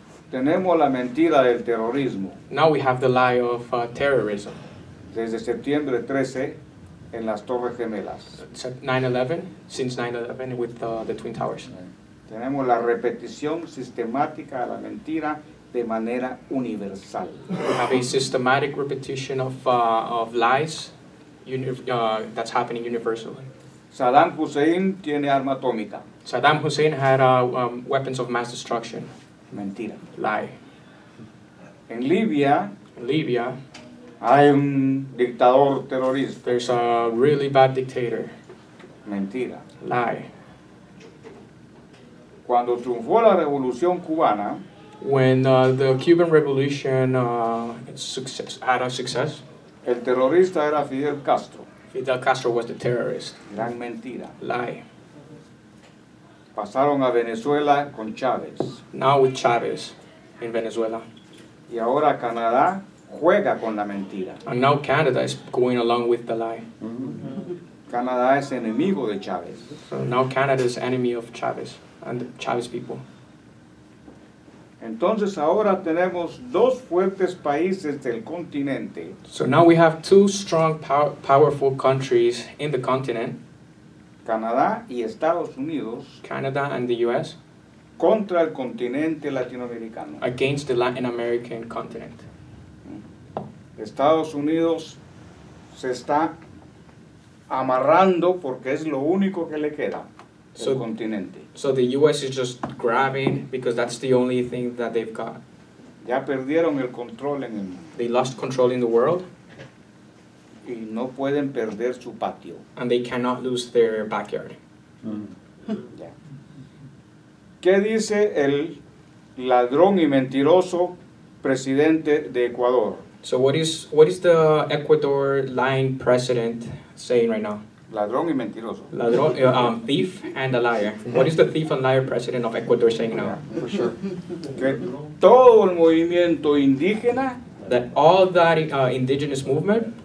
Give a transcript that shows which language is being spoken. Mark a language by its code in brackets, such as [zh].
[es] tenemos la mentira del terrorismo. [en] Now we have the lie of terrorism. [es] Desde septiembre 13 en las Torres Gemelas. [en] 9/11, since 9/11 with the Twin Towers. Okay. [es] Tenemos la repetición sistemática de la mentira de manera universal. [en] We have a systematic repetition of lies that's happening universally. [es] Saddam Hussein tiene arma atómica. [en] Saddam Hussein had weapons of mass destruction. [es] Mentira. [en] Lie. [es] En Libia. [en] In Libya. [es] Hay un dictador terrorista. [en] There's a really bad dictator. [es] Mentira. [en] Lie. [es] Cuando triunfó la revolución cubana. [en] When the Cuban Revolution had a success. [es] El terrorista era Fidel Castro. [en] Fidel Castro was the terrorist. [es] Gran mentira. [en] Lie. [es] Pasaron a Venezuela con Chávez. [en] Now with Chávez in Venezuela. [es] Y ahora Canadá juega con la mentira. [en] And now Canada is going along with the lie. Mm-hmm. [es] Canadá es enemigo de Chávez. [en] So now Canada is enemy of Chávez and the Chávez people. [es] Entonces ahora tenemos dos fuertes países del continente. [en] So now we have two strong, powerful countries in the continent. [es] Canadá y Estados Unidos. [en] Canada and the US. [es] Contra el continente latinoamericano. [en] Against the Latin American continent. [es] Estados Unidos se está amarrando porque es lo único que le queda. [en] So, el continente. So the U.S. is just grabbing because that's the only thing that they've got. [es] Ya perdieron el control en el mundo. [en] They lost control in the world. [es] Y no pueden perder su patio. [en] And they cannot lose their backyard. Mm. Yeah. [es] ¿Qué dice el ladrón y mentiroso presidente de Ecuador? [en] So what is the Ecuador lying president saying right now? [es] Ladrón y mentiroso. [en] Thief and a liar. What is the thief and liar president of Ecuador saying now? For sure. [es] Que todo el movimiento indígena. [en] That all that indigenous movement.